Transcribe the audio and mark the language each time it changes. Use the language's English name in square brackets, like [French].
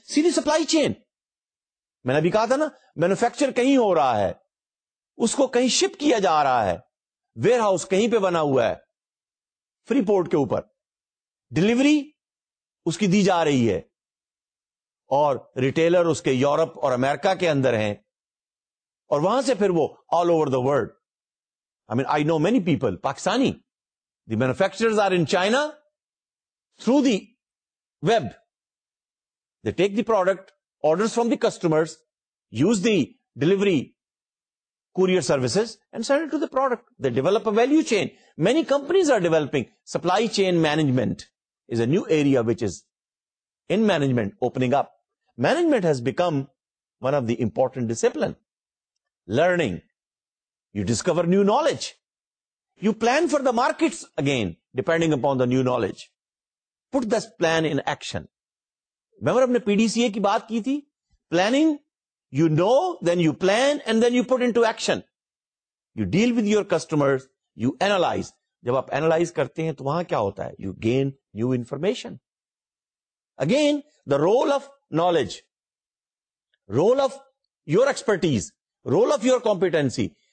[Urdu] سیدھی supply chain, میں نے ابھی کہا تھا نا, مینوفیکچر کہیں ہو رہا ہے, اس کو کہیں شپ کیا جا رہا ہے, ویئر ہاؤس کہیں پہ بنا ہوا ہے فری پورٹ کے اوپر, ڈلیوری اس کی دی جا رہی ہے اور ریٹیلر اس کے یورپ اور امریکہ کے اندر ہیں اور وہاں سے پھر وہ [English] All over the world. I know many people Pakistani, the manufacturers are in China through the web, they take the product, orders from the customers, use the delivery courier services and send to the product, they develop a value chain. Many companies are developing. Supply chain management is a new area which is in management opening up. Management has become one of the important discipline. Learning, you discover new knowledge, you plan for the markets again depending upon the new knowledge, put this plan in action. [Urdu] ممبر ہم نے P D C اے کی بات کی تھی, [English] Planning, you know then you plan and then you put into action, you deal with your customers, you analyse. [Urdu] جب آپ analyse کرتے ہیں تو وہاں کیا ہوتا ہے, [English] You gain new information. Again the role of knowledge, role of your expertise, role of your competency.